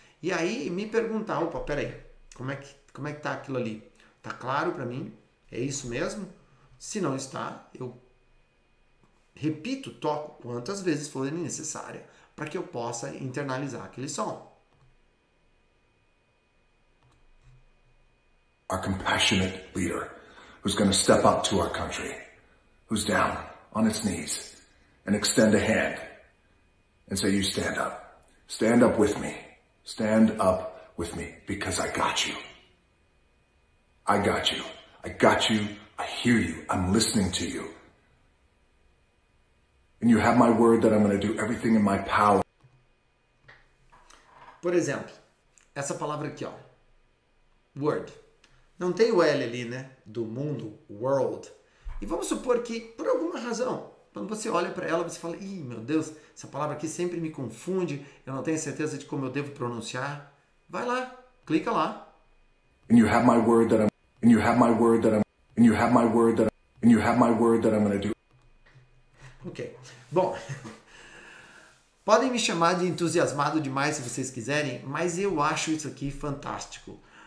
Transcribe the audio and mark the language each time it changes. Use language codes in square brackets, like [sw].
[pt] E aí me perguntar, opa, peraí, como é que tá aquilo ali? Tá claro para mim? É isso mesmo? Se não está, eu repito, toco quantas vezes for necessária para que eu possa internalizar aquele som. [en] A compassionate leader who's going to step up to our country, who's down on its knees and extend a hand and say, you stand up. Stand up with me. Stand up with me because I got you. I got you. I got you. I hear you. I'm listening to you. And you have my word that I'm going to do everything in my power. [pt] Por exemplo, essa palavra aqui, ó. Word. Não tem o L ali, né? Do mundo, world. E vamos supor que, por alguma razão, Quando você olha para ela, você fala, ih, meu Deus, essa palavra aqui sempre me confunde, eu não tenho certeza de como eu devo pronunciar. Vai lá, clica lá. [en] And you have my word that I'm, and you have my word that I'm, and you have my word that I'm, and you have my word that I'm going to do. Ok. [pt] Bom, podem me chamar de entusiasmado demais se vocês quiserem, mas eu acho isso aqui fantástico.